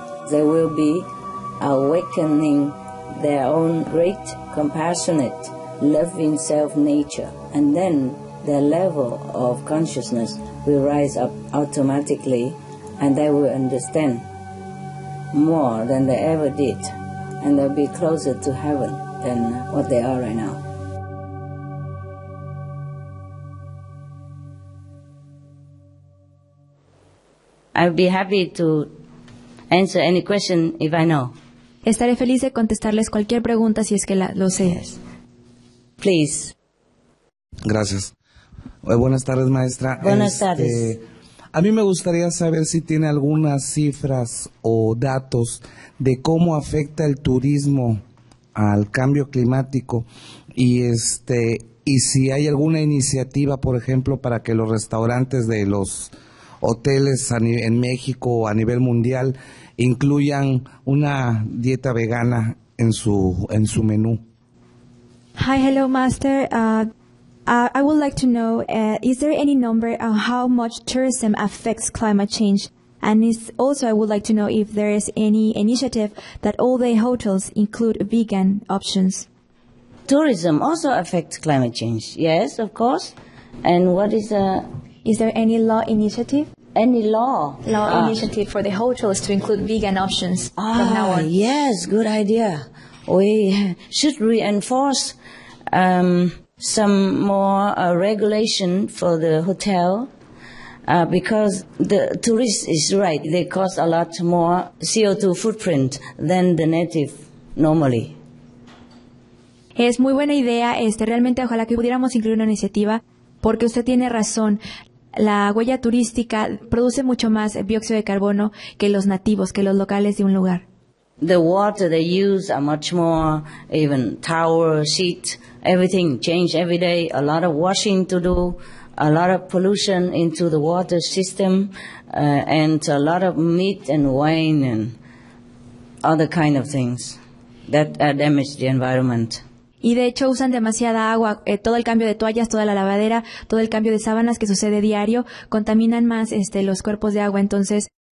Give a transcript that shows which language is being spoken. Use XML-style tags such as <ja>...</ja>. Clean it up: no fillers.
<en>They will be awakening their own great, compassionate, loving self-nature, and then their level of consciousness will rise up automatically, and they will understand more than they ever did, and they'll be closer to heaven than what they are right now. I'll be happy to answer any question if I know.</en> <es>Estaré feliz de contestarles cualquier pregunta si es que lo sé.</es> <en>Yes. Please.</en> <es>Gracias. Buenas tardes, maestra. Buenas tardes. A mí me gustaría saber si tiene algunas cifras o datos de cómo afecta el turismo al cambio climático y si hay alguna iniciativa, por ejemplo, para que los restaurantes de los hoteles en México o a nivel mundial incluyan una dieta vegana en su menú.</es> <en>Hi, hello, Master. I would like to know, is there any number on how much tourism affects climate change? And also I would like to know if there is any initiative that all the hotels include vegan options. Tourism also affects climate change, yes, of course. And what is a... Is there any law initiative? Any law? Law initiative for the hotels to include vegan options from now on. Yes, good idea. We should reinforce some more regulation for the hotel because the tourist is right. They cost a lot more CO2 footprint than the native normally.</en> <es>Es muy buena idea. Realmente ojalá que pudiéramos incluir una iniciativa porque usted tiene razón. La huella turística produce mucho más dióxido de carbono que los nativos, que los locales de un lugar.</es> <en>The water they use are much more, even tower, sheet, everything change every day. A lot of washing to do, a lot of pollution into the water system, and a lot of meat and wine and other kind of things that damage the environment.</en> <es>Y de hecho usan demasiada agua, todo el cambio de toallas, toda la lavadera, todo el cambio de sábanas que sucede diario, contaminan más los cuerpos de agua, entonces...</es>